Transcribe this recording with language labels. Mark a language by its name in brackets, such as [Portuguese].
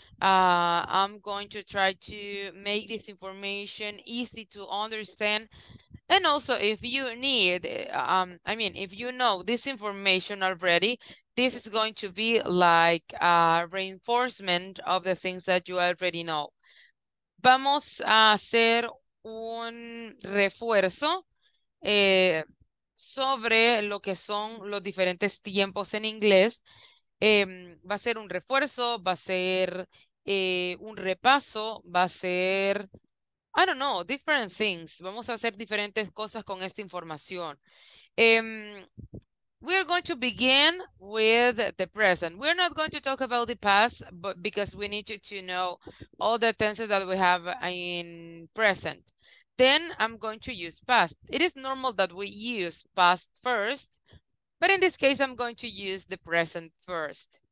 [English] I'm going to try to make this information easy to understand. And also, if you need, I mean, if you know this information already, this is going to be like a reinforcement of the things that you already know. [Spanish] Vamos a hacer un refuerzo sobre lo que son los diferentes tiempos en inglés. Va a ser un refuerzo, va a ser un repaso, va a ser, [English] I don't know, different things. [Spanish] Vamos a hacer diferentes cosas con esta información. [English] We are going to begin with the present. We're not going to talk about the past, but because we need to know all the tenses that we have in present. Then I'm going to use past. It is normal that we use past first, but in this case, I'm going to use the present first.